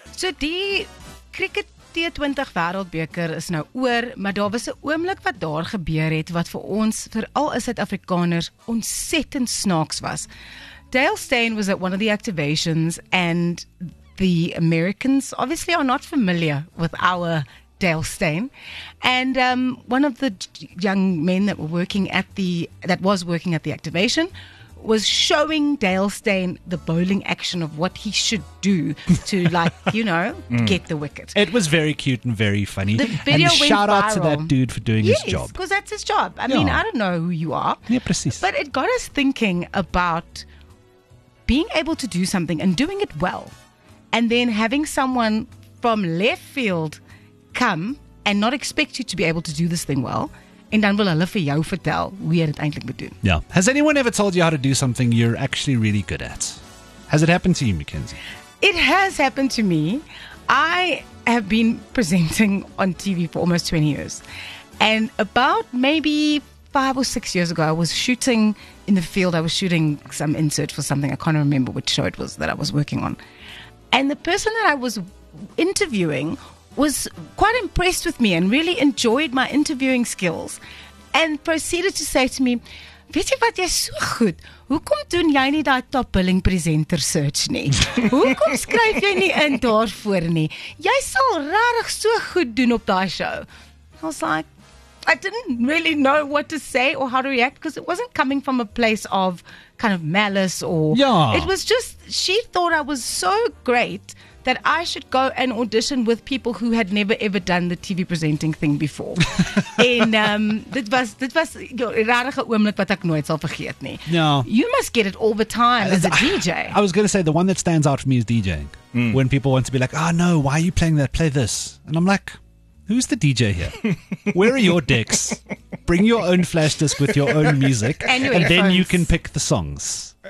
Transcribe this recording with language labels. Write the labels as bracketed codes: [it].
[af] So die Cricket T20 Wêreldbeker is nou oor, maar daar was 'n oomblik wat daar gebeur het wat vir ons, veral as Suid-Afrikaners, ontsettend snaaks was. [en] Dale Steyn was at one of the activations and the Americans obviously are not familiar with our Dale Steyn, and one of the young men that were working at the activation was showing Dale Steyn the bowling action of what he should do to, like, you know, get the wicket. It was very cute and very funny. The video and went shout viral. Out to that dude for doing yes, his job. Because that's his job. I mean, I don't know who you are. Yeah, [af] precies. [en] But it got us thinking about being able to do something and doing it well, and then having someone from left field come and not expect you to be able to do this thing well. [af] En dan wil hulle vir jou vertel hoe jy dit eintlik moet doen. Ja. Yeah. [en] Has anyone ever told you how to do something you're actually really good at? Has it happened to you, Mackenzie? It has happened to me. I have been presenting on TV for almost 20 years. And about maybe 5 or 6 years ago, I was shooting in the field. I was shooting some insert for something. I can't remember which show it was that I was working on. And the person that I was interviewing was quite impressed with me and really enjoyed my interviewing skills and proceeded to say to me, [af] weet jy wat, jy is so goed. Hoekom doen jy nie die top billing presenter search nie? Hoekom skryf jy nie in daarvoor nie? Jy sal rarig so goed doen op die show. [en] I was like, I didn't really know what to say or how to react because it wasn't coming from a place of kind of malice or... Yeah. It was just, she thought I was so great that I should go and audition with people who had never ever done the TV presenting thing before. [af] En dit was 'n rarige oomblik wat ek nooit sal vergeet nie. [en] No. You must get it all the time as a DJ. I was going to say, the one that stands out for me is DJing. Mm. When people want to be like, oh no, why are you playing that? Play this. And I'm like, who's the DJ here? Where are your decks? Bring your own flash disc with your own music. And then you can pick the songs.